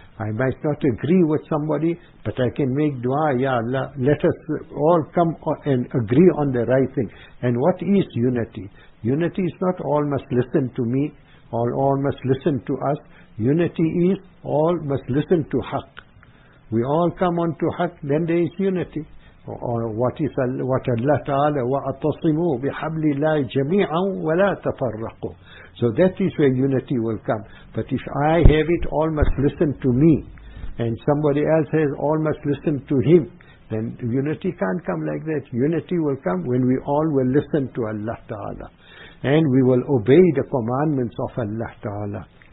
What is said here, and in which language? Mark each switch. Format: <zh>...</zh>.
<en>I might not agree with somebody, but I can make dua, Ya Allah, let us all come and agree on the right thing. And what is unity? Unity is not all must listen to me, all must listen to us. Unity is all must listen to Haqq. We all come on to Haqq, then there is unity. What Allah Ta'ala,</en> <ar>وَأَتَصِمُوا بِحَبْلِ اللَّهِ جَمِيعًا وَلَا تَفَرَّقُوا.</ar> <en>So that is where unity will come. But if I have it, all must listen to me. And somebody else has, all must listen to him. Then unity can't come like that. Unity will come when we all will listen to Allah Ta'ala. And we will obey the commandments of Allah Ta'ala.</en>